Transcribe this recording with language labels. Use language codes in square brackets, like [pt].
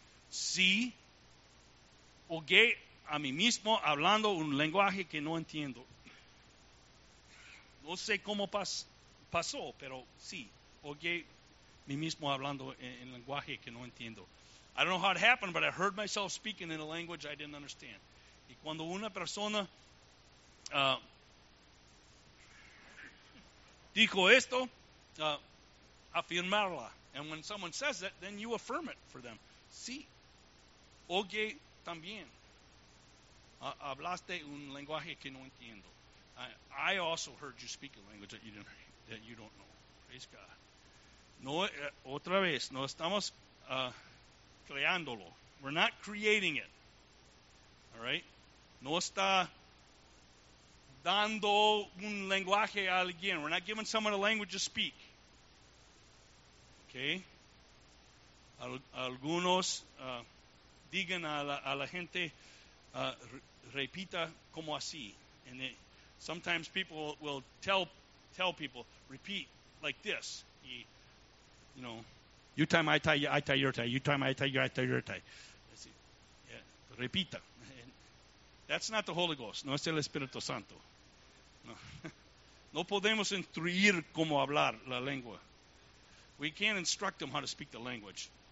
[es] Sí, oye a mí mismo hablando un lenguaje que no entiendo. No sé cómo pasó, pero sí, oye a mí mismo hablando en lenguaje que no entiendo. [en] I don't know how it happened, but I heard myself speaking in a language I didn't understand. [es] Y cuando una persona dijo esto, afirmarla. [en] And when someone says that, then you affirm it for them. [es] Sí. Oye también. Hablaste un lenguaje que no entiendo. [en] I also heard you speak a language that you don't know. Praise God. [es] No, otra vez, no estamos creándolo. [en] We're not creating it. All right? [es] No está dando un lenguaje a alguien. [en] We're not giving someone a language to speak. Okay. [es] Algunos digan a la gente repita como así. [en] And it, sometimes people will tell people repeat like this. Y, you know, you time I tie you, I tie your tie. You time I tie you, I tie your tie. [es] Así, yeah, repita. [en] And that's not the Holy Ghost. [es] No es el Espíritu Santo. No, no podemos instruir cómo hablar la lengua. [en] We can't instruct them how to speak the language.